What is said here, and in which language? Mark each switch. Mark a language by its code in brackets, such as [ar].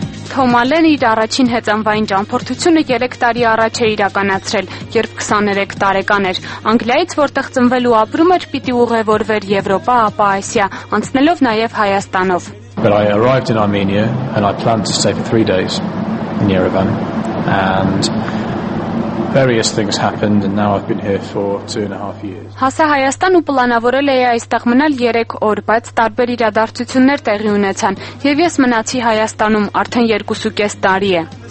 [hy] Թոմալենը իր առաջին հեծանվային ճամփորդությունը 3 տարի առաջ է իրականացրել, երբ 23 տարեկան էր։ Անգլիայից, որտեղ ծնվել ու ապրում էր, պիտի ուղևորվեր Եվրոպա, ապա Ասիա, անցնելով նաև Հայաստանով։ [en] But I arrived in Armenia and I planned to stay for 3 days in Yerevan and various things happened and now I've been here for 2.5 years. [hy] Հասա Հայաստան ու պլանավորել էի այստեղ մնալ 3 օր, բայց տարբեր իրադարձություններ տեղի ունեցան եւ ես մնացի Հայաստանում արդեն 2.5 տարի է։